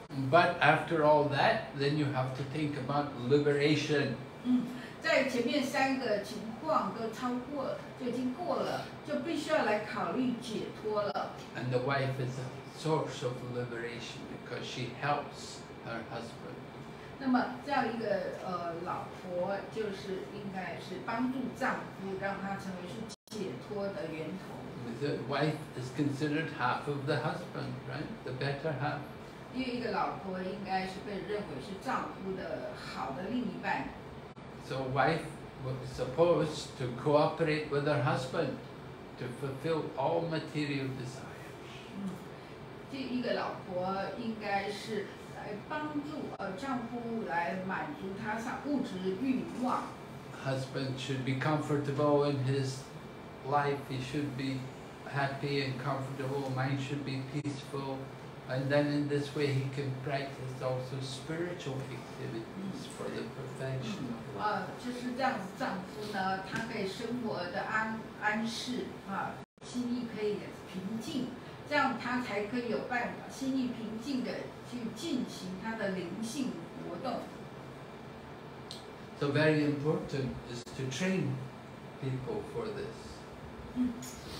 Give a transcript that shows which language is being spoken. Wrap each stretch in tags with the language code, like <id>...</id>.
<en>But after all that, then you have to think about liberation.</en> <zh>在前面三个情况都超过，就已经过了，就必须要来考虑解脱了。</zh> <en>And the wife is a source of liberation because she helps her husband.</en> <zh>那么这样一个老婆就是应该是帮助丈夫，让他成为是解脱的源头。</zh> <en>The wife is considered half of the husband, right? The better half.</en> <zh>因为一个老婆应该是被认为是丈夫的好的另一半。</zh> <en>So wife was supposed to cooperate with her husband to fulfill all material desires.</en> <zh>这一个老婆应该是来帮助丈夫来满足他上物质欲望。</zh> <en>Husband should be comfortable in his life. He should be happy and comfortable. Mind should be peaceful. And then in this way he can practice also spiritual activities for the perfection of life.</en> <zh>就是这样子，丈夫呢，他可以生活的安适，心意可以平静，这样他才可以有办法心意平静的去进行他的灵性活动。</zh> <en>So very important is to train people for this.</en>